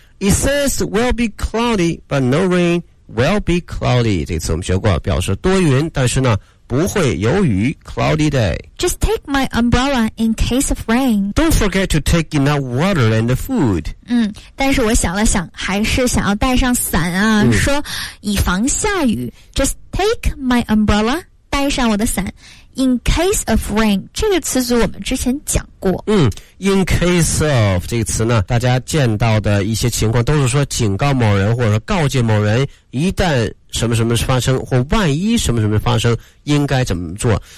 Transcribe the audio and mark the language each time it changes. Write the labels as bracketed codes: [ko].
[en] It says will be cloudy, but no rain. Will be cloudy. [zh] 这次我们学过，表示多云，但是呢不会有雨。 [en] Cloudy day. Just take my umbrella in case of rain. Don't forget to take enough water and food. [zh] 但是我想了想，还是想要带上伞啊，说以防下雨。 [en] Just take my umbrella， [zh] 带上我的伞。 [en] In case of rain， [zh] 这个词组我们之前讲过。 In case of 这个词呢，大家见到的一些情况都是说警告某人，或者说告诫某人，一旦什么什么发生，或万一什么什么发生，应该怎么做。